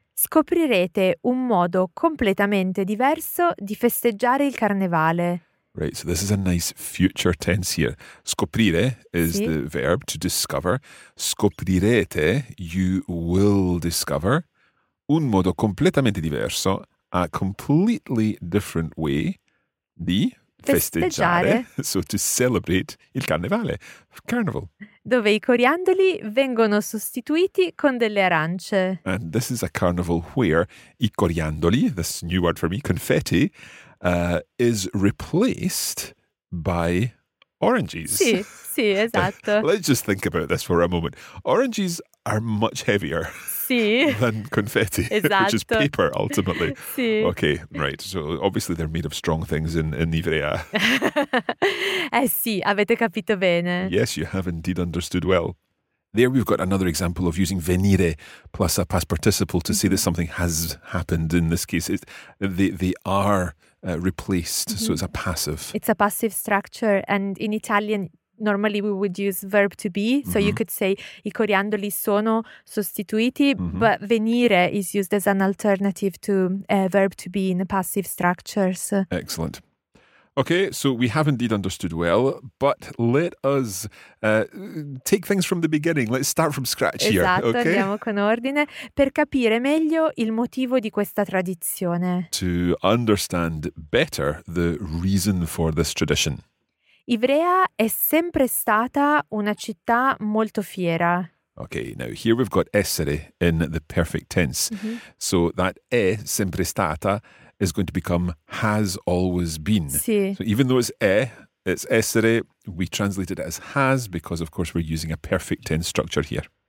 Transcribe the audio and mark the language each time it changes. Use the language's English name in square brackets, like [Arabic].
[Italian] Scoprirete un modo completamente diverso di festeggiare il carnevale. [English] Right, so this is a nice future tense here. Scoprire is sì. The verb to discover. Scoprirete, you will discover, [Italian] un modo completamente diverso, [English] a completely different way di [Italian] festeggiare, [English] so to celebrate il carnevale, carnival. [Italian] Dove i coriandoli vengono sostituiti con delle arance. [English] And this is a carnival where i coriandoli, this new word for me, confetti, is replaced by oranges. [Italian] Sì, sì, esatto. [English] Let's just think about this for a moment. Oranges are much heavier [Italian] sì. [English] Than confetti, [Italian] esatto. [English] Which is paper, ultimately. [Italian] Sì. [English] Okay, right. So obviously they're made of strong things in Ivrea. [Italian] Eh sì, avete capito bene. [English] Yes, you have indeed understood well. There we've got another example of using venire plus a past participle to say that something has happened in this case. They are replaced, mm-hmm. So it's a passive. It's a passive structure, and in Italian, normally we would use verb to be, so mm-hmm. you could say [Italian] i coriandoli sono sostituiti, mm-hmm. [English] but venire is used as an alternative to verb to be in the passive structures. Excellent. Okay, so we have indeed understood well, but let us take things from the beginning. Let's start from scratch here. [Italian] Esatto, [English] okay? [Italian] Andiamo con ordine per capire meglio il motivo di questa tradizione. [English] To understand better the reason for this tradition. [Italian] Ivrea è sempre stata una città molto fiera. [English] Okay, now here we've got essere in the perfect tense. Mm-hmm. So that [Italian] è sempre stata [English] is going to become has always been. [Italian] Sì. [English] So even though it's è, it's essere, we translate it as has because of course we're using a perfect tense structure here.